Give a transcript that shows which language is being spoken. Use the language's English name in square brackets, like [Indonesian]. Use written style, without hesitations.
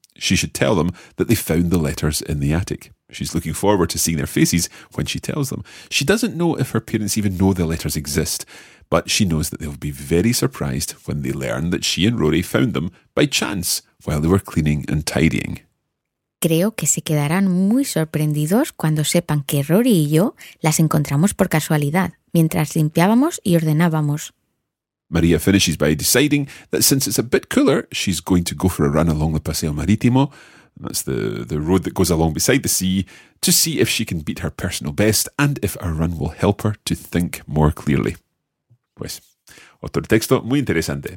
[English] She should tell them that they found the letters in the attic. She's looking forward to seeing their faces when she tells them. She doesn't know if her parents even know the letters exist, but she knows that they'll be very surprised when they learn that she and Rory found them by chance while they were cleaning and tidying. [Spanish] creo que se quedarán muy sorprendidos cuando sepan que Rory y yo las encontramos por casualidad, mientras limpiábamos y ordenábamos. [English] Maria finishes by deciding that since it's a bit cooler, she's going to go for a run along the Paseo Marítimo, that's the road that goes along beside the sea, to see if she can beat her personal best and if a run will help her to think more clearly. [Spanish] Pues, otro texto muy interesante.